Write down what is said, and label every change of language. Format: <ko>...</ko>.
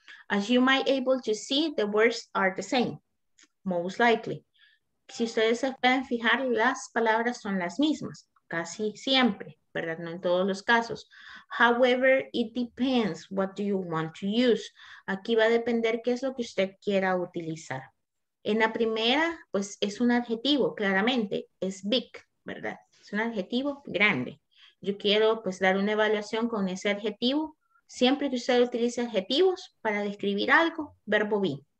<en>As you might be able to see, the words are the same, most likely.</en> <es>Si ustedes se pueden fijar, las palabras son las mismas, casi siempre, ¿verdad? No en todos los casos.</es> <en>However, it depends what do you want to use.</en> <es>Aquí va a depender qué es lo que usted quiera utilizar. En la primera, pues es un adjetivo, claramente, es big, ¿verdad? Es un adjetivo grande. Yo quiero pues dar una evaluación con ese adjetivo. Siempre que usted utilice adjetivos para describir algo, verbo be.</es>